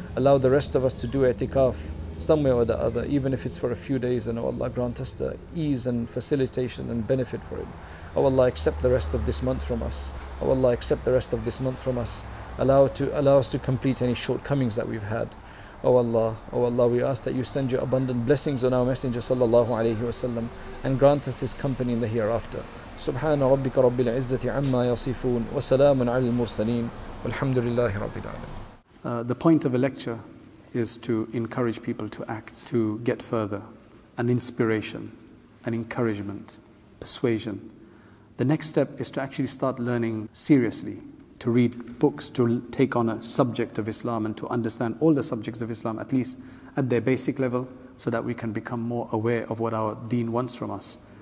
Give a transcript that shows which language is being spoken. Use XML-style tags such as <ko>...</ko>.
<en>Allow the rest of us to do itikaf somewhere or the other, even if it's for a few days, and oh Allah, grant us the ease and facilitation and benefit for it. Oh Allah, accept the rest of this month from us. Oh Allah, accept the rest of this month from us. Allow us to complete any shortcomings that we've had. Oh Allah, we ask that you send your abundant blessings on our Messenger sallallahu alayhi wasallam, and grant us his company in the hereafter.</en> <ar>سبحان ربك رب العزة عما يصفون وسلام على المرسلين والحمد لله رب العالمين.</ar> <en>The point of a lecture is to encourage people to act, to get further, an inspiration, an encouragement, persuasion. The next step is to actually start learning seriously, to read books, to take on a subject of Islam and to understand all the subjects of Islam, at least at their basic level, so that we can become more aware of what our deen wants from us.</en>